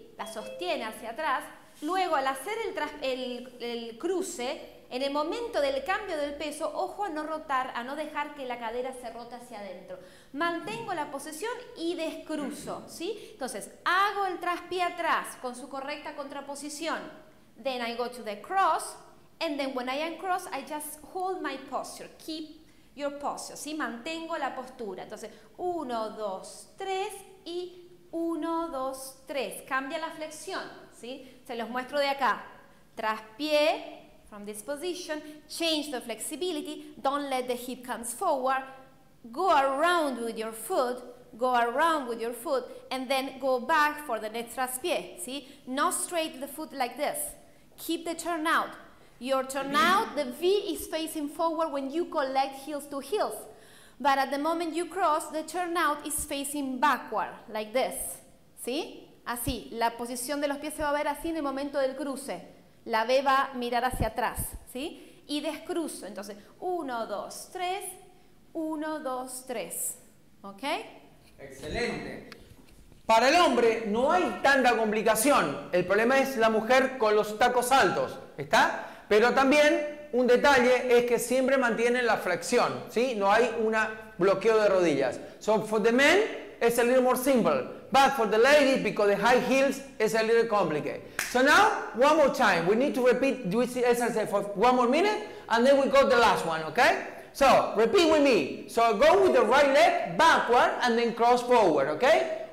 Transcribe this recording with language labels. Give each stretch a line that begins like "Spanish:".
Spanish: La sostiene hacia atrás. Luego, al hacer el cruce, en el momento del cambio del peso, ojo a no rotar, a no dejar que la cadera se rote hacia adentro. Mantengo la posición y descruzo, ¿sí? Entonces, hago el traspié atrás con su correcta contraposición.
English: Then I go to the cross, and then when I am cross, I just hold my posture. Keep your posture,
Spanish: ¿sí? Mantengo la postura. Entonces, 1, 2, 3 y 1, 2, 3. Cambia la flexión, ¿sí? Se los muestro de acá. Traspié.
English: From this position, change the flexibility, don't let the hip comes forward, go around with your foot, go around with your foot, and then go back for the next traspié, see? Not straight the foot like this. Keep the turnout. Your turnout, the V is facing forward when you collect heels to heels, but at the moment you cross, the turnout is facing backward, like this, see?
Spanish: Así, la posición de los pies se va a ver así en el momento del cruce. La B va a mirar hacia atrás, ¿sí? Y descruzo. Entonces, 1, 2, 3, 1, 2, 3. ¿Ok? Excelente. Para el hombre no hay tanta complicación. El problema es la mujer con los tacos altos, ¿está? Pero también un detalle es que siempre mantiene la flexión, ¿sí? No hay un bloqueo de rodillas.
English: So, for the men, it's a little more simple. But for the lady, because the high heels is a little complicated. So now, one more time. We need to repeat this exercise for one more minute, and then we go to the last one, okay? So, repeat with me. So go with the right leg backward, and then cross forward, okay?